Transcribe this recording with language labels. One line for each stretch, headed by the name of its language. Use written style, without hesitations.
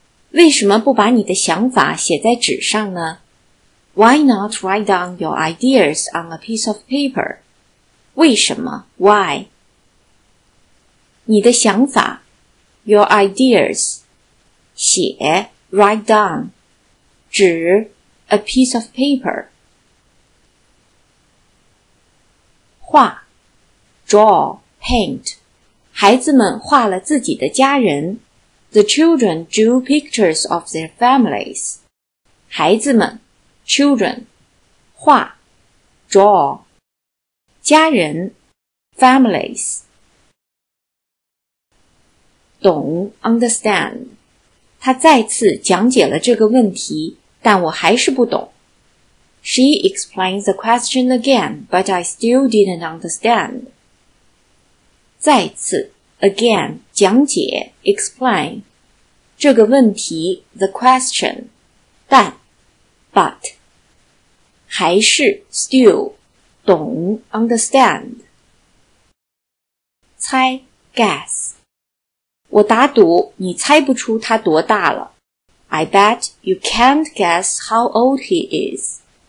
Chinese: 为什么不把你的想法写在纸上呢?
English: Why not write down your ideas on a piece of paper? 为什么?Why? 你的想法 your ideas. 写 write down. 纸 a piece of paper. 画 draw, paint.
Chinese: 孩子们画了自己的家人。
English: The children drew pictures of their families. 孩子们 children. 画 draw. 家人 families. 懂 understand.
Chinese: 他再次讲解了这个问题，但我还是不懂。
English: She explained the question again, but I still didn't understand. 再次 again, 讲解 explain. 这个问题 the question, 但 but, 还是 still, 懂 understand. 猜 guess.
Chinese: 我打赌你猜不出他多大了。
English: I bet you can't guess how old he is.